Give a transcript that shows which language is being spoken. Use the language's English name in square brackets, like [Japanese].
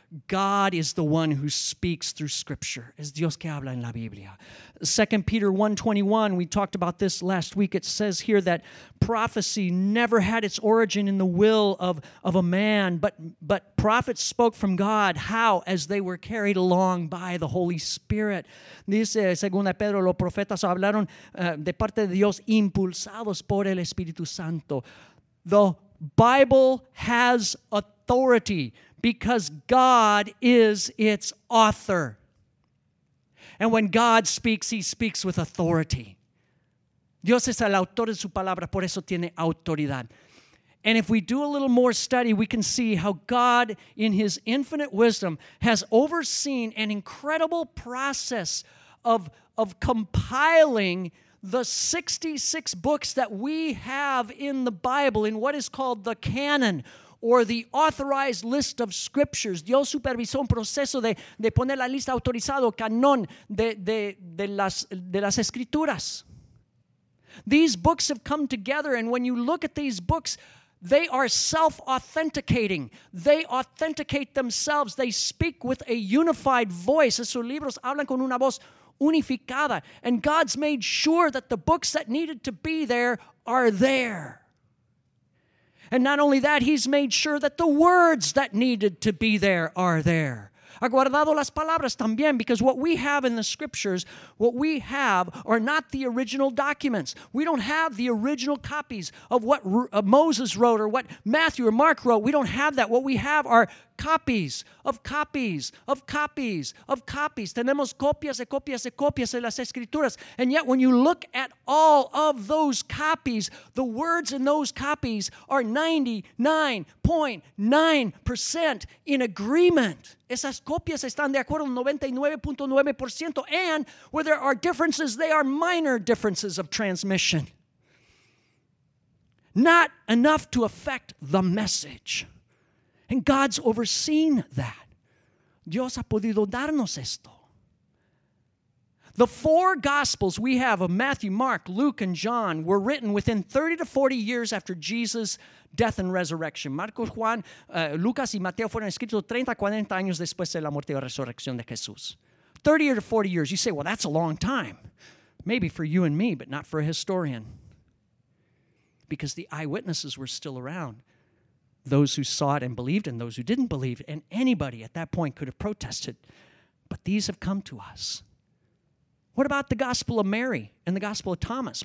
[English] God is the one who speaks through Scripture. [Spanish] Es Dios que habla en la Biblia. [English] 2 Peter 1:21, we talked about this last week. It says here that prophecy never had its origin in the will of a man, but prophets spoke from God. How? As they were carried along by the Holy Spirit. [Spanish] Dice, según Pedro, los profetas hablaron de parte de Dios, impulsados por el Espíritu Santo. [English] The Bible has authority because God is its author. And when God speaks, he speaks with authority. [Spanish] Dios es el autor de su palabra, por eso tiene autoridad. [English] And if we do a little more study, we can see how God, in his infinite wisdom, has overseen an incredible process of compiling the 66 books that we have in the Bible in what is called the canon, or the authorized list of scriptures. [Spanish] Dios supervisó un proceso de poner la lista autorizada o canon de las escrituras. [English] These books have come together, and when you look at these books, they are self-authenticating. They authenticate themselves. They speak with a unified voice. [Spanish] Esos libros hablan con una voz unificada. [English] And God's made sure that the books that needed to be there are there. And not only that, he's made sure that the words that needed to be there are there. [Spanish] Ha guardado las palabras también, [English] because what we have in the scriptures, what we have are not the original documents. We don't have the original copies of what Moses wrote or what Matthew or Mark wrote. We don't have that. What we have are copies of copies of copies of copies. [Spanish] Tenemos copias y copias y copias de las escrituras. [English] And yet when you look at all of those copies, the words in those copies are 99.9% in agreement. [Spanish] Esas copias están de acuerdo al 99.9%. [English] And where there are differences, they are minor differences of transmission. Not enough to affect the message. And God's overseen that. [Spanish] Dios ha podido darnos esto. [English] The four Gospels we have of Matthew, Mark, Luke, and John were written within 30 to 40 years after Jesus' death and resurrection. [Spanish] Marcos, Juan, Lucas, y Mateo fueron escritos 30 a 40 años después de la muerte y resurrección de Jesús. [English] 30 to 40 years. You say, well, that's a long time. Maybe for you and me, but not for a historian. Because the eyewitnesses were still around. Those who saw it and believed, and those who didn't believe, and anybody at that point could have protested. But these have come to us. What about the Gospel of Mary and the Gospel of Thomas?